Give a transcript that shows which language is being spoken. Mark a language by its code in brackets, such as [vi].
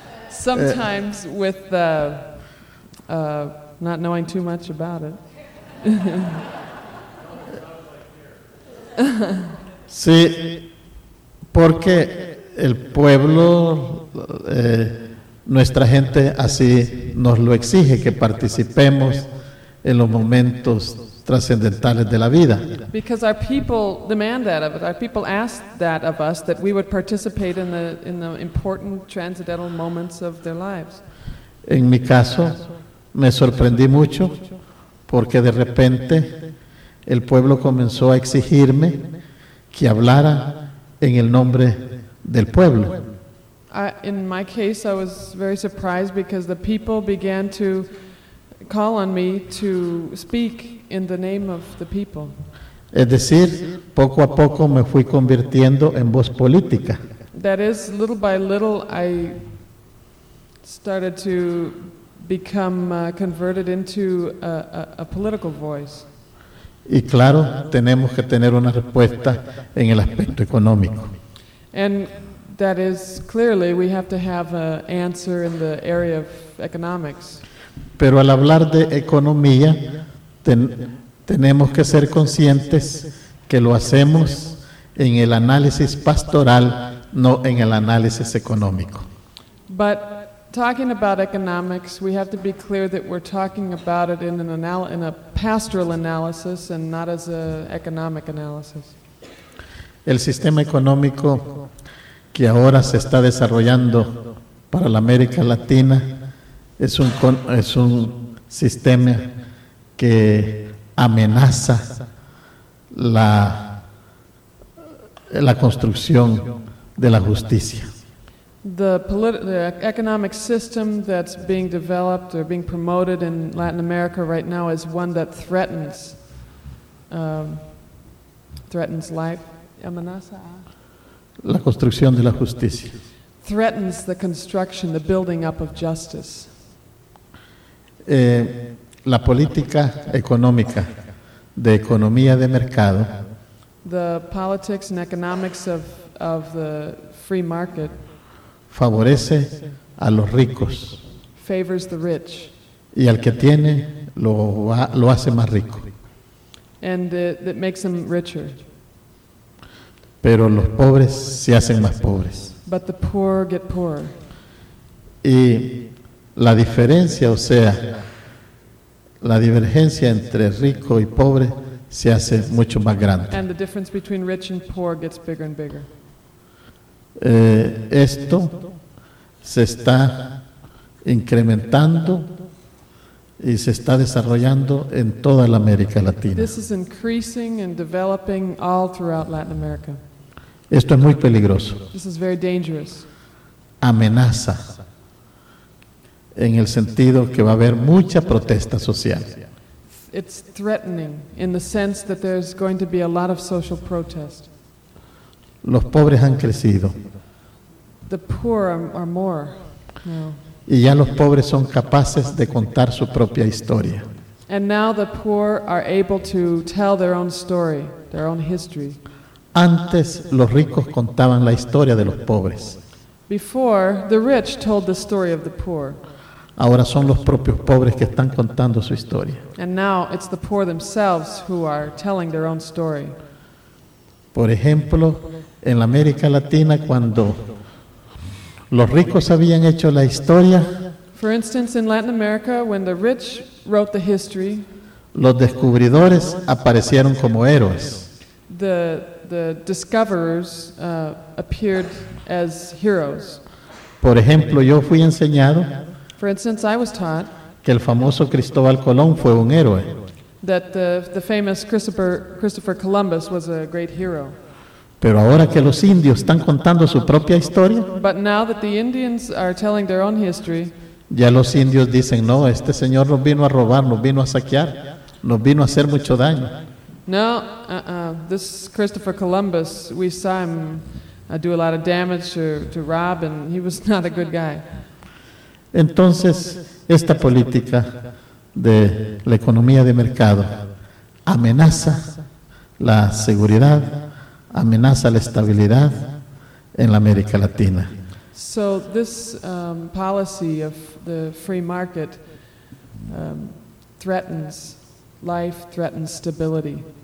[en] Sometimes with not knowing too much about it. [es] Sí, porque el pueblo, nuestra gente así nos lo exige, que participemos en los momentos trascendentales de la vida. [en] Because our people demand that of us. Our people ask that of us, that we would participate in the important transcendental moments of their lives. [es] En mi caso, me sorprendí mucho porque de repente el pueblo comenzó a exigirme que hablara en el nombre del pueblo. [en] In my case, I was very surprised because the people began to call on me to speak in the name of the people. [es] Es decir, poco a poco me fui convirtiendo en voz política. [en] That is, little by little, I started to become converted into a political voice. [es] Y claro, tenemos que tener una respuesta en el aspecto económico. [en] And that is, clearly, we have to have an answer in the area of economics. [es] Pero al hablar de economía, tenemos que ser conscientes que lo hacemos en el análisis pastoral, no en el análisis económico. [en] But talking about economics, we have to be clear that we're talking about it in a pastoral analysis and not as an economic analysis. [es] El sistema económico que ahora se está desarrollando para la América Latina es un sistema que amenaza la construcción de la justicia. [en] The economic system that's being developed or being promoted in Latin America right now is one that threatens life. [es] Amenaza. La construcción de la justicia. [en] Threatens the construction, the building up of justice. [es] La política económica de economía de mercado. [en] The politics and economics of the free market. [es] Favorece a los ricos. [en] Favors the rich. [es] Y al que tiene lo hace más rico. [en] And it makes them richer. [es] Pero los pobres se hacen más pobres. [en] But the poor get poorer. [es] Y la diferencia, o sea, la divergencia entre rico y pobre se hace mucho más grande. [en] And the difference between rich and poor gets bigger and bigger. [es] Esto se está incrementando y se está desarrollando en toda la América Latina. [en] This is increasing and developing all throughout Latin America. [es] Esto es muy peligroso. [en] This is very dangerous. [es] Amenaza. En el sentido que va a haber mucha protesta social. [en] It's threatening in the sense that there's going to be a lot of social protest. [es] Los pobres han crecido. [en] The poor are more now. [es] Y ya los pobres son capaces de contar su propia historia. [en] And now the poor are able to tell their own story, their own history. [es] Antes los ricos contaban la historia de los pobres. [en] Before, the rich told the story of the poor. [es] Ahora son los propios pobres que están contando su historia. [en] And now it's the poor themselves who are telling their own story. [es] Por ejemplo, en la América Latina, cuando los ricos habían hecho la historia, [en] for instance, in Latin America, when the rich wrote the history, [es] los descubridores aparecieron como héroes. [en] The discoverers appeared as heroes. [es] Por ejemplo, yo fui enseñado, [en] for instance, I was taught, [es] que el famoso Cristóbal Colón fue un héroe. [en] That the famous Christopher Columbus was a great hero. [es] Pero ahora que los indios están contando su propia historia, [en] but now that the Indians are telling their own history, [es] ya los indios dicen, no, este señor nos vino a robar, nos vino a saquear, nos vino a hacer mucho daño. [en] No, this Christopher Columbus, we saw him do a lot of damage to rob, and he was not a good guy. [es] Entonces, esta política de la economía de mercado amenaza la seguridad, amenaza la estabilidad en la América Latina. [en] So this policy of the free market threatens life, threatens stability.